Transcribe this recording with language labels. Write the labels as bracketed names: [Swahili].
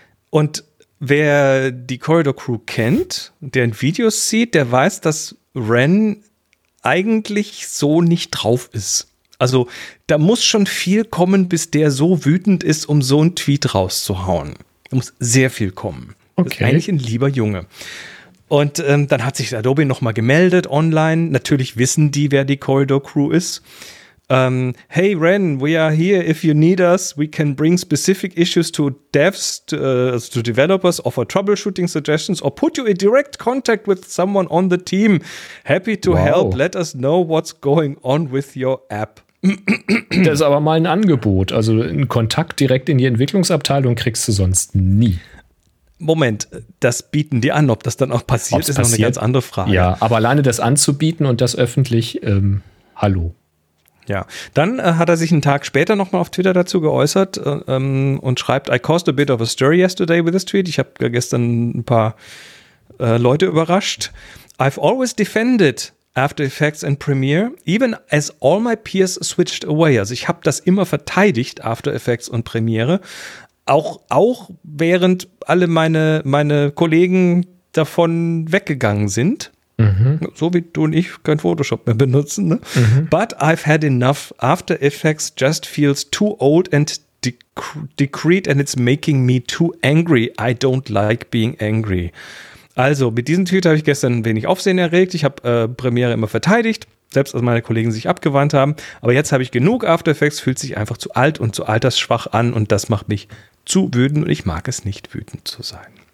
[German] Und wer die Corridor Crew kennt, der in Videos sieht, der weiß, dass Ren eigentlich so nicht drauf ist. Also da muss schon viel kommen, bis der so wütend ist, um so einen Tweet rauszuhauen. Da muss sehr viel kommen. Okay. Das ist eigentlich ein lieber Junge. Und dann hat sich Adobe nochmal gemeldet online. Natürlich wissen die, wer die Corridor Crew ist. [English] Hey Ren, we are here if you need us. We can bring specific issues to devs, to developers, offer troubleshooting suggestions or put you in direct contact with someone on the team. Happy to help. Let us know what's going on with your app. [German] Das ist aber mal ein Angebot. Also ein Kontakt direkt in die Entwicklungsabteilung kriegst du sonst nie. Moment, das bieten die an. Ob das dann auch passiert, ist noch eine ganz andere Frage. Ja, aber alleine das anzubieten und das öffentlich, hallo. Ja, dann hat er sich einen Tag später nochmal auf Twitter dazu geäußert und schreibt, [English] I caused a bit of a stir yesterday with this tweet. [German] Ich habe gestern ein paar Leute überrascht. [English] I've always defended After Effects and Premiere, even as all my peers switched away. [German] Also ich habe das immer verteidigt, After Effects und Premiere, auch während alle meine Kollegen davon weggegangen sind. Mhm. So wie du und ich kein Photoshop mehr benutzen. [English] Ne? Mhm. But I've had enough. After Effects just feels too old and decreed and it's making me too angry. I don't like being angry. [German] Also, mit diesem Tweet habe ich gestern ein wenig Aufsehen erregt. Ich habe Premiere immer verteidigt, selbst als meine Kollegen sich abgewandt haben. Aber jetzt habe ich genug After Effects, fühlt sich einfach zu alt und zu altersschwach an. Und das macht mich zu wütend und ich mag es nicht, wütend zu sein.